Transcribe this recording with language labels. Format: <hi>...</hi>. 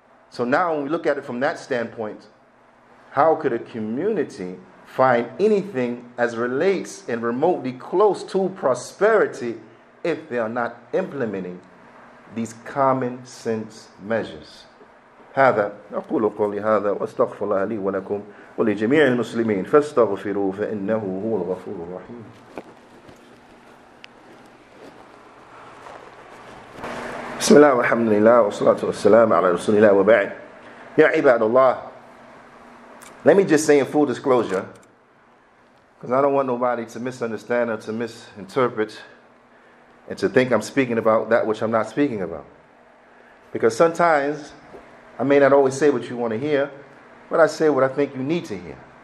<en>So now when we look at it from that standpoint, how could a community find anything as relates and remotely close to prosperity if they are not implementing these common sense measures?</en> <ar>هذا أقول قولي هذا وأستغفر الله لي ولكم ولجميع المسلمين فاستغفروه فإنه هو الغفور الرحيم. بسم الله والحمد لله والصلاة والسلام على رسول الله وبعد. يا عباد الله,</ar> <en>let me just say in full disclosure, because I don't want nobody to misunderstand or to misinterpret and to think I'm speaking about that which I'm not speaking about. Because sometimes I may not always say what you want to hear, but I say what I think you need to hear.</en>